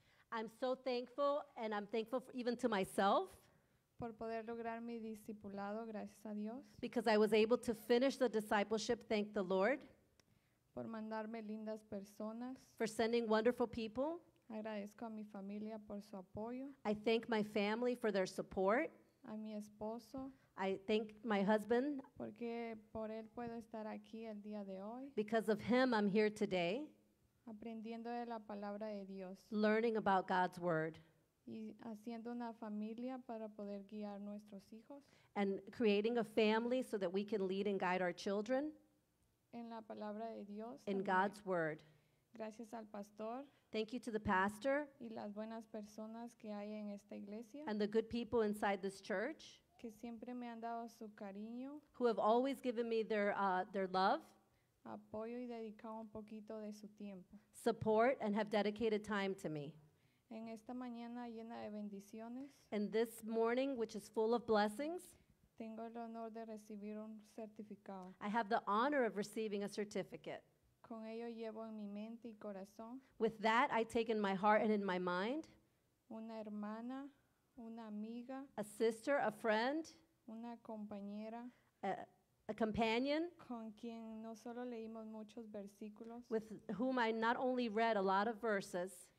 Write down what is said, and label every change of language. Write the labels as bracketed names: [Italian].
[English] I'm so thankful, and I'm thankful for, even to myself. [Spanish] Por poder lograr mi discipulado, gracias a Dios. [English] Because I was able to finish the discipleship, thank the Lord. [Spanish] Por mandarme lindas personas. [English] For sending wonderful people. [Spanish] Agradezco a mi familia por su apoyo. [English] I thank my family for their support. [Spanish] A mi esposo. [English] I thank my husband. [Spanish] Porque por él puedo estar aquí el día de hoy. [English] Because of him, I'm here today. [Spanish] Aprendiendo de la palabra de Dios. [English] Learning about God's word. [Spanish] Y haciendo una familia para poder guiar nuestros hijos. [English] And creating a family so that we can lead and guide our children. [Spanish] En la palabra de Dios. [English] In [Spanish] también. [English] God's word. [Spanish] Gracias al pastor. [English] Thank you to the pastor. [Spanish] Y las buenas personas que hay en esta iglesia. [English] And the good people inside this church. [Spanish] Que siempre me han dado su cariño. [English] Who have always given me their love. [Spanish] Apoyo y dedicado un poquito de su tiempo. [English] Support and have dedicated time to me. [Spanish] En esta mañana llena de bendiciones. [English] And this morning, which is full of blessings. [Spanish] Tengo el honor de recibir un certificado. [English] I have the honor of receiving a certificate. [Spanish] Con ello llevo en mi mente y corazón. [English] With that, I take in my heart and in my mind. [Spanish] Una hermana, una amiga. [English] A sister, a friend. [Spanish] Una compañera. [English] A companion. [Spanish] Con quien no solo leímos muchos versículos. [English] With whom I not only read a lot of verses.